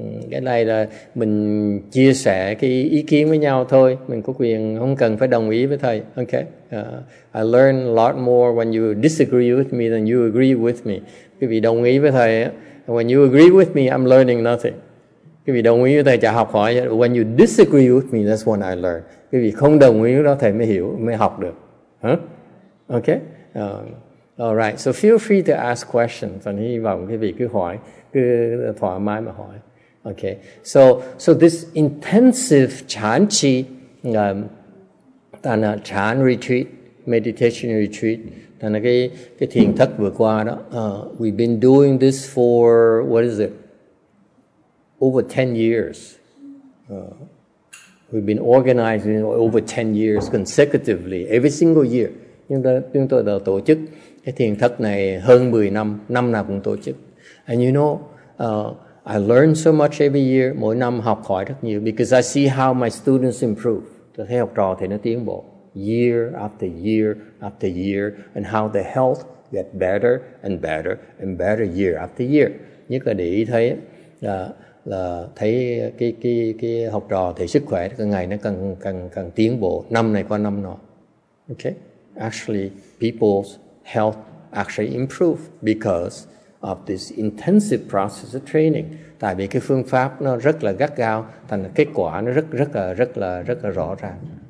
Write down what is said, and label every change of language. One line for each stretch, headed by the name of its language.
Vietnamese: Cái này là mình chia sẻ cái ý kiến với nhau thôi, mình có quyền không cần phải đồng ý với thầy.
English: Okay. I learn a lot more when you disagree with me than you agree with me.
Vietnamese: Quý vị đồng ý với thầy,
English: when you agree with me, I'm learning nothing.
Vietnamese: Quý vị đồng ý với thầy chả học hỏi.
English: When you disagree with me, that's when I learn.
Vietnamese: Quý vị không đồng ý với đó thầy mới hiểu, mới học được. Huh?
English: Okay. All right. So feel free to ask questions.
Vietnamese: Hy vọng quý vị cứ hỏi, cứ thoải mái mà hỏi.
English: Okay. So this intensive Chan Chi, Tana Chan retreat, meditation retreat, Tana
Vietnamese: cái thiền thất vừa qua đó,
English: we've been doing this for, what is it, over 10 years. We've been organizing over 10 years consecutively, every single year.
Vietnamese: Chúng tôi đã tổ chức cái thiền thất này hơn 10 năm, năm nào cũng tổ chức.
English: And you know, I learn so much every year.
Vietnamese: Mỗi năm học hỏi rất nhiều
English: because I see how my students improve.
Vietnamese: Tôi thấy học trò thì nó tiến bộ
English: year after year after year, and how the health get better and better and better year after year.
Vietnamese: Nhất là để ý thấy là thấy cái học trò thì sức khỏe cái ngày nó càng tiến bộ năm này qua năm nọ.
English: Okay, actually people's health actually improve because of this intensive process of training.
Vietnamese: Tại vì cái phương pháp nó rất là gắt gao, thành kết quả nó rất là rõ ràng.